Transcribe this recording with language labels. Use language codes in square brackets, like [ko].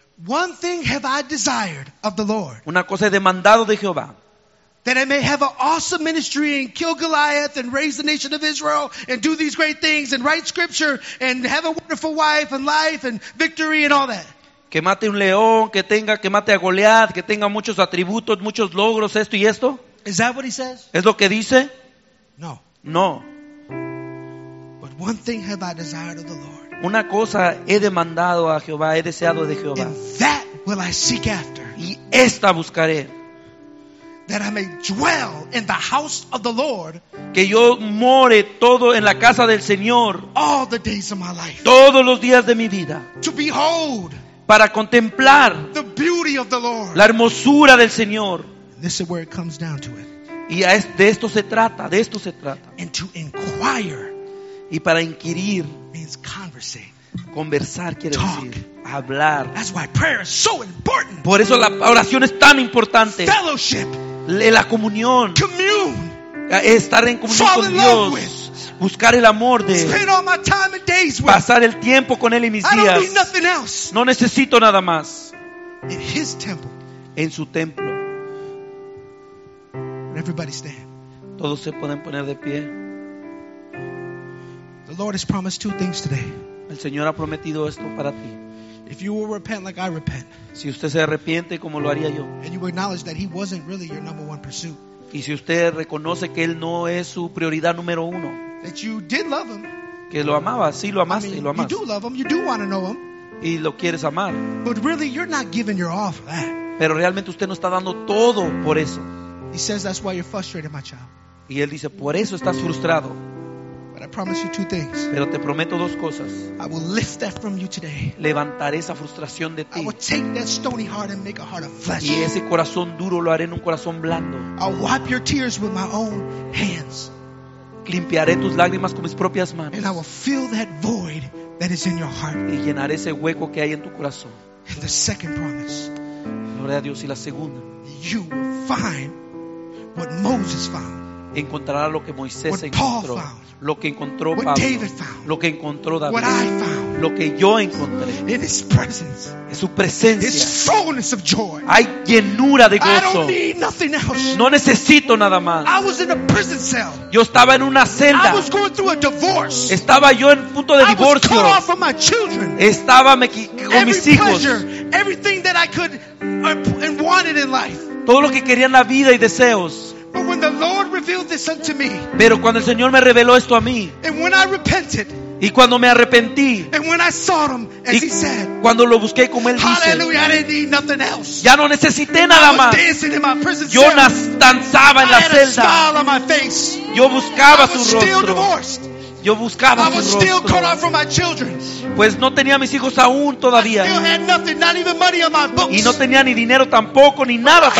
[en] One thing have I desired of the Lord. [es] Una cosa he demandado de Jehová. [en] That I may have an awesome ministry and kill Goliath and raise the nation of Israel and do these great things and write scripture and have a wonderful wife and life and victory and all that. [es] Que mate un león, que mate a Goliath, que tenga muchos atributos, muchos logros, esto y esto. [en] Is that what he says? [es] ¿Es lo que dice? [en] No. [es] No. [en] But one thing have I desired of the Lord. [es] Una cosa he demandado a Jehová, he deseado de Jehová. [en] And that will I seek after. [es] Y esta buscaré. [en] That I may dwell in the house of the Lord. [es] Que yo more todo en la casa del Señor. [en] All the days of my life. [es] Todos los días de mi vida. [en] To behold. [es] Para contemplar. [en] The beauty of the Lord. [es] La hermosura del Señor. [en] And this is where it comes down to it. [es] Y de esto se trata, de esto se trata. [en] And to inquire. [es] Y para inquirir. [en] Means converse. [es] Conversar quiere [en] talk. [es] Decir. Hablar. [en] That's why prayer is so important. [es] Por eso la oración es tan importante. [en] Fellowship. [es] La comunión. [en] Commune. [es] Estar en comunión con Dios. Buscar el amor de él. [en] Spend all my time and days with. [es] Pasar el tiempo con él y mis días. [en] I don't need nothing else. [es] No necesito nada más. [en] In his temple. [es] En su templo. [en] Everybody stand. [es] Todos se pueden poner de pie. [en] The Lord has promised two things today. [es] El Señor ha prometido esto para ti. [en] If you will repent like I repent, [es] si usted se arrepiente como lo haría yo, [en] and you acknowledge that he wasn't really your number one pursuit, [es] y si usted reconoce que él no es su prioridad número uno, [en] that you did love him, [es] que lo amaba, sí, lo amaste, [en] I mean, [es] y lo amas, [en] you do love him, you do want to know him, [es] y lo quieres amar, [en] but really you're not giving your all for that. [es] Pero realmente usted no está dando todo por eso. [en] He says that's why you're frustrated, my child. [es] Y él dice, por eso estás frustrado. [en] But I promise you two things. [es] Pero te prometo dos cosas. [en] I will lift that from you today. [es] Levantaré esa frustración de ti. [en] I will take that stony heart and make a heart of flesh. [es] Y ese corazón duro lo haré en un corazón blando. [en] I'll wipe your tears with my own hands. [es] Limpiaré tus lágrimas con mis propias manos. [en] And I will fill that void that is in your heart. [es] Y llenaré ese hueco que hay en tu corazón. [en] And the second promise. [es] Gloria a Dios. Y la segunda. [en] You will find what Moses found. [es] Encontrará lo que Moisés [en] what [es] encontró, [en] Paul found, [es] lo que encontró [en] what [es] Pablo, [en] David found, [es] lo que encontró David, [en] what I found, [es] lo que yo encontré, [en] in his presence, [es] en su presencia, [en] his fullness of joy. [es] Hay llenura de gozo. [en] I don't need nothing else. [es] No necesito nada más. [en] I was in a prison cell. [es] Yo estaba en una celda. [en] I was going through a divorce. [es] Estaba yo en punto de divorcio. [en] I was cut off from my children. [es] Estaba con mis hijos. [en] Every pleasure, everything that I could and wanted in life. [es] Todo lo que quería en la vida y deseos. [en] But when the Lord revealed this unto me, [es] pero cuando el Señor me reveló esto a mí, [en] and when I repented, [es] y cuando me arrepentí, [en] and when I sought him, as he said, [es] cuando lo busqué como él dice, [en] hallelujah, I didn't need nothing else. [es] Ya no necesité nada más. [en] I was dancing in my prison. [es] Yo danzaba en la celda. [en] I had a smile on my face. [es] Yo buscaba su rostro. [en] I was still divorced. [es] Yo buscaba [en] I was [es] su [en] still [es] rostro. [en] Cut off from my children. [es] Pues no tenía mis hijos aún todavía. [en] I still had nothing, not even money on my books. [es] Y no tenía ni dinero tampoco, ni nada tampoco.